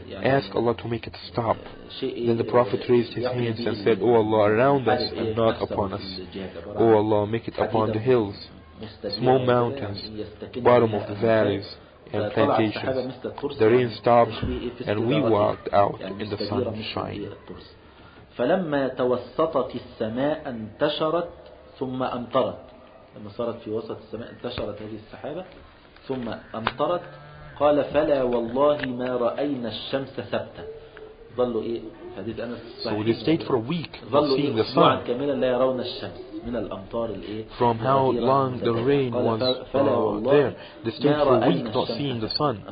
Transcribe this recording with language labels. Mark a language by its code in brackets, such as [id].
[en] Ask Allah to make it stop." Then the Prophet raised his hands and said, "O Allah, around us and not upon us. O Allah, make it upon the hills, small mountains, bottom of the valleys, and plantations." The rain stopped and we walked out in the sunshine. [ar] فلما توسطت السماء انتشرت ثم امطرت لما صارت في وسط السماء انتشرت هذه السحابه ثم امطرت قال فلا والله ما راينا الشمس ثبتا ظلوا ايه حديث انس [en] صحيح. So they stayed for a week seeing the sun [ar] كاملا لا يرون الشمس من الامطار الايه [en] from how long the rain was there. They stayed for a week not seeing the sun.